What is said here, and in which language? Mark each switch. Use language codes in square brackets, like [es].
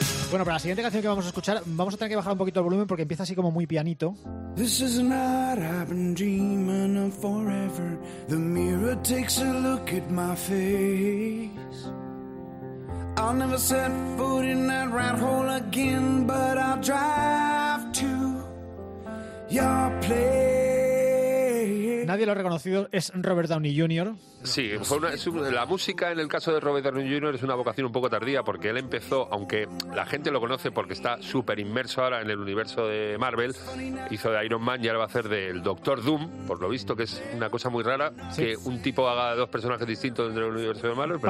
[es] Bueno, para la siguiente canción que vamos a escuchar, vamos a tener que bajar un poquito el volumen porque empieza así como muy pianito. [en] This is not I've been dreaming of forever. The mirror takes a look at my face. I'll never set foot in that rat hole again, but I'll drive to your place. [es] Nadie lo ha reconocido, es Robert Downey Jr. Sí, fue una, la música en el caso de Robert Downey Jr. es una vocación un poco tardía porque él empezó, aunque la gente lo conoce porque está súper inmerso ahora en el universo de Marvel, hizo de Iron Man y ahora va a hacer del Doctor Doom, por lo visto, que es una cosa muy rara, sí, que un tipo haga dos personajes distintos dentro del universo de Marvel.